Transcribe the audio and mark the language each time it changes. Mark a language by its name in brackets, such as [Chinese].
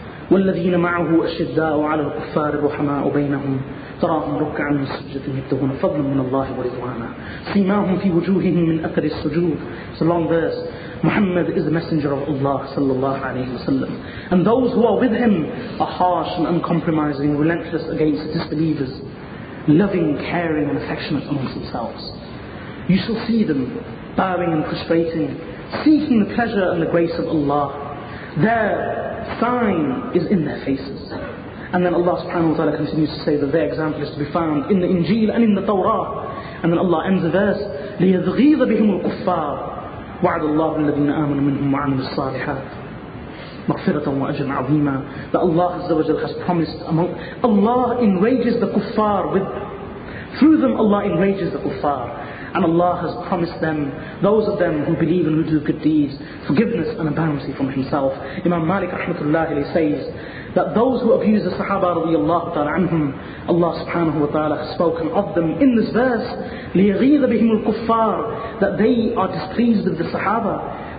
[Arabic] والذين معه أشداء على الكفار رحماء بينهم تراهم ركعا سجدا يبتغون فضلا من الله ورضوانا سيماهم في وجوههم من أثر السجود. [English] It's a long verse. Muhammad is the messenger of Allah sallallahu alayhi wa sallam. And those who are with him are harsh and uncompromising, relentless against the disbelievers, loving, caring and affectionate amongst themselves. You shall see them bowing and prostrating, seeking the pleasure and the grace of Allah. There sign is in their faces. And then Allah subhanahu wa ta'ala continues to say that their example is to be found in the Injil and in the Torah. And then Allah ends the verse, [Arabic] لِيَذْغِيظَ بِهِمُ الْكُفَّارِ وَعَدَ اللَّهُ الَّذِينَ آمَنُوا مِنْهُمْ وَعَمِلُوا الصَّالِحَاتِ. مَغْفِرَةً وَأَجْرًا عَظِيمًا. [English] That Allah Azza wa Jalla has promised among... Allah enrages the kuffar with them. Through them Allah enrages the kuffar. And Allah has promised them, those of them who believe and who do good deeds, forgiveness and abundance from Himself. Imam Malik rahmatullahi alayhi says that those who abuse the Sahaba radiyallahu ta'ala anhum, Allah subhanahu wa ta'ala has spoken of them in this verse, [Arabic] لِيَغِيظَ بِهِمُ الْكُفَّارِ, [English] that they are displeased with the Sahaba.